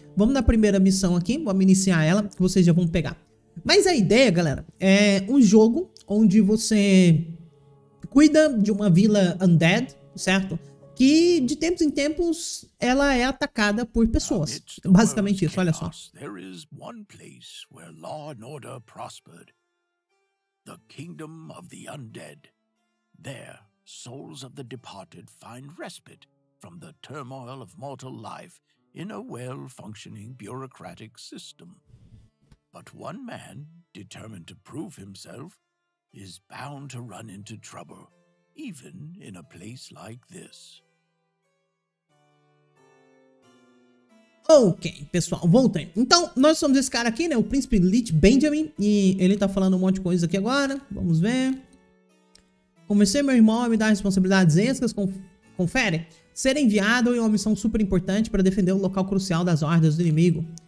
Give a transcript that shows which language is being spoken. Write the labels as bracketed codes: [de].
[pt] Vamos na primeira missão aqui, vamos iniciar ela, que vocês já vão pegar. Mas a ideia, galera, é um jogo onde você cuida de uma vila undead, certo? Que de tempos em tempos ela é atacada por pessoas. Basicamente isso, olha só. [en] There is one place where law and order prospered. The kingdom of the undead. There. Souls of the departed find respite from the turmoil of mortal life in a well-functioning bureaucratic system. But one man, determined to prove himself, is bound to run into trouble, even in a place like this. [pt] Ok, pessoal, voltem. Então, nós somos esse cara aqui, né? O príncipe Lich Benjamin, e ele tá falando um monte de coisa aqui agora. Vamos ver. Convencer meu irmão a me dar responsabilidades extras, confere. Ser enviado em uma missão super importante para defender o local crucial das hordas do inimigo.